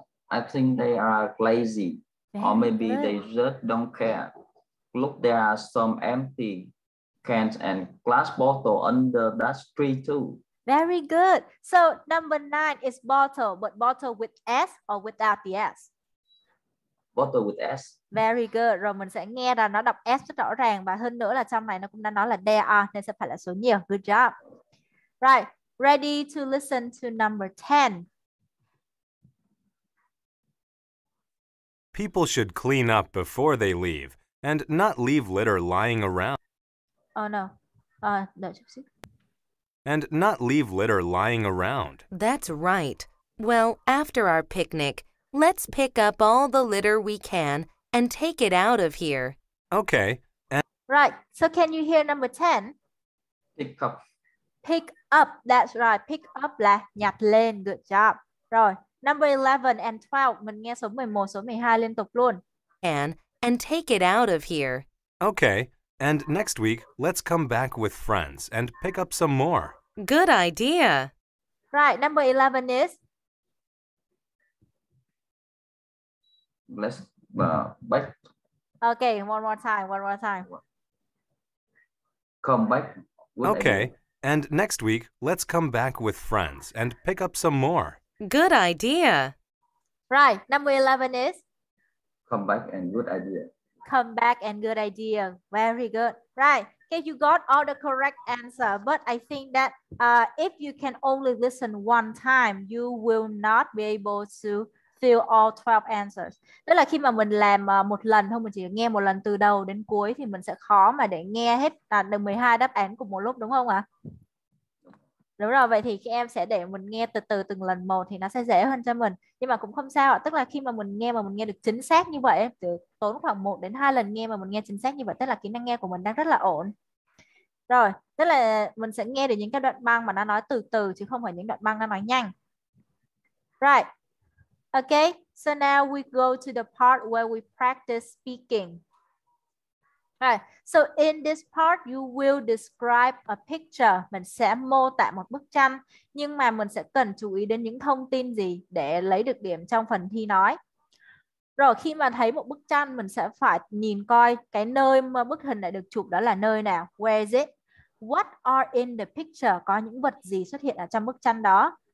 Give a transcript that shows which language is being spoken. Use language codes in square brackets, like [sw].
[en] I think they are lazy, or maybe they just don't care. Look, there are some empty cans and glass bottles under that tree, too. Very good. So number 9 is bottle, but bottle with S or without the S? Bottle with S. Very good. [vi] Rồi mình sẽ nghe là nó đọc S rất rõ ràng và hơn nữa là trong này nó cũng đã nói là [en] there are [vi] nên sẽ phải là số nhiều. [en] Good job. Right. Ready to listen to number 10. People should clean up before they leave and not leave litter lying around. Oh no. No, just see. And not leave litter lying around. That's right. Well, after our picnic, let's pick up all the litter we can and take it out of here. Okay. Right. So can you hear number 10? Pick up. Pick up. Pick up, that's right. Pick up [vi] là nhặt lên. [en] Good job. Rồi, number 11 and 12. [vi] Mình nghe số 11, số 12 liên tục luôn. [en] And take it out of here. Okay, and next week, let's come back with friends and pick up some more. Good idea. Right, number 11 is? Let's back. Okay, one more time. Come back. Okay, and next week, let's come back with friends and pick up some more. Good idea. Right, number 11 is? Come back and good idea. Come back and good idea. Very good. Right. Okay, you got all the correct answer. But I think that if you can only listen one time, you will not be able to fill all 12 answers. [vi] Tức là khi mà mình làm một lần thôi, mình chỉ nghe một lần từ đầu đến cuối, thì mình sẽ khó mà để nghe hết được 12 đáp án cùng một lúc, đúng không ạ? Đúng rồi, vậy thì khi em sẽ để mình nghe từ từ từng lần một thì nó sẽ dễ hơn cho mình. Nhưng mà cũng không sao ạ. Tức là khi mà mình nghe được chính xác như vậy, từ tốn khoảng 1 đến 2 lần nghe mà mình nghe chính xác như vậy, tức là kỹ năng nghe của mình đang rất là ổn. Rồi, tức là mình sẽ nghe được những cái đoạn băng mà nó nói từ từ, chứ không phải những đoạn băng nó nói nhanh. [en] Right. Okay, so now we go to the part where we practice speaking. Right. So in this part, you will describe a picture. [vi] Mình sẽ mô tả một bức tranh. Nhưng mà mình sẽ cần chú ý đến những thông tin gì để lấy được điểm trong phần thi nói. Rồi khi mà thấy một bức tranh, mình sẽ phải nhìn coi cái nơi mà bức hình đã được chụp đó là nơi nào. [en] Where is it? What are in the picture? [vi] Có những vật gì xuất hiện ở trong bức tranh đó?